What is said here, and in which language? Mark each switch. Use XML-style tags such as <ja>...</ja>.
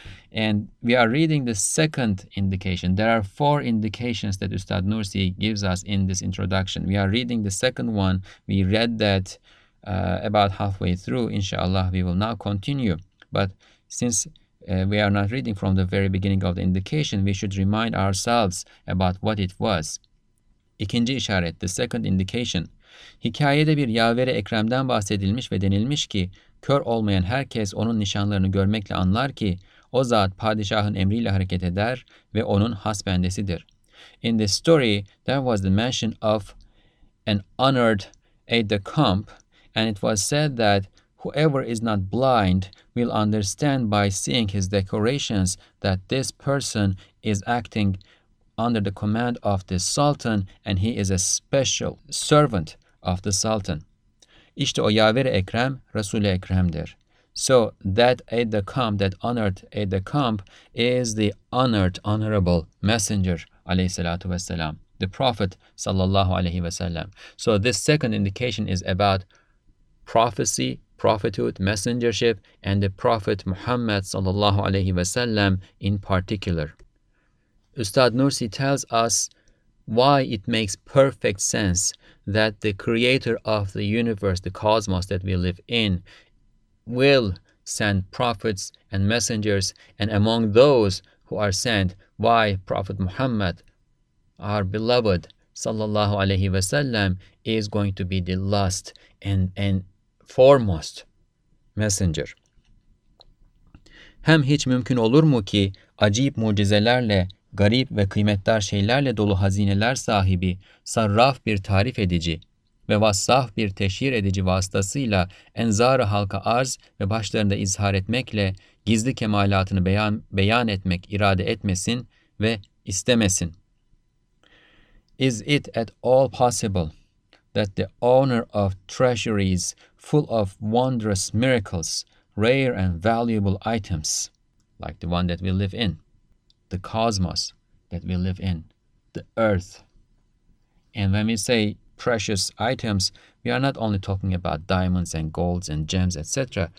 <en>And we are reading the second indication. There are four indications that Üstad Nursi gives us in this introduction. We are reading the second one. We read that about halfway through. Inshallah, we will now continue. But since we are not reading from the very beginning of the indication, we should remind ourselves about what it was.</en> <tr>İkinci işaret,</tr> <en>the second indication.</en> <tr>Hikayede bir yaveri ekremden bahsedilmiş ve denilmiş ki, kör olmayan herkes onun nişanlarını görmekle anlar ki, o zat padişahın emriyle hareket eder ve onun hasbendesidir.</tr> <en>In the story, there was the mention of an honored aide-de-camp, and it was said that whoever is not blind will understand by seeing his decorations that this person is acting under the command of the Sultan, and he is a special servant of the Sultan.</en> <tr>İşte o yaveri ekrem, Resul-i Ekrem'dir.</tr> <en>So that aide-de-camp, that honored aide-de-camp, is the honored, honorable messenger,</en> <ar>alayhissalatu wassalam,</ar> <en>the Prophet,</en> <ar>sallallahu alayhi wasallam.</ar> <en>So this second indication is about prophecy, prophethood, messengership, and the Prophet Muhammad, sallallahu alayhi wasallam, in particular. Üstad Nursi tells us why it makes perfect sense that the creator of the universe, the cosmos that we live in, will send prophets and messengers, and among those who are sent, why Prophet Muhammad, our beloved</en> <ar>sallallahu alaihi wasallam,</ar> <en>is going to be the last and foremost messenger.</en> <tr>Hem hiç mümkün olur mu ki acayip mucizelerle, garip ve kıymetli şeylerle dolu hazineler sahibi, sarraf bir tarif edici ve vassaf bir teşhir edici vasıtasıyla enzar-ı halka arz ve başlarında izhar etmekle gizli kemalatını beyan etmek irade etmesin ve istemesin.</tr> <en>Is it at all possible that the owner of treasuries full of wondrous miracles, rare and valuable items, like the one that we live in, the cosmos that we live in, the earth, and when we say precious items, we are not only talking about diamonds and golds and gems, etc.</en>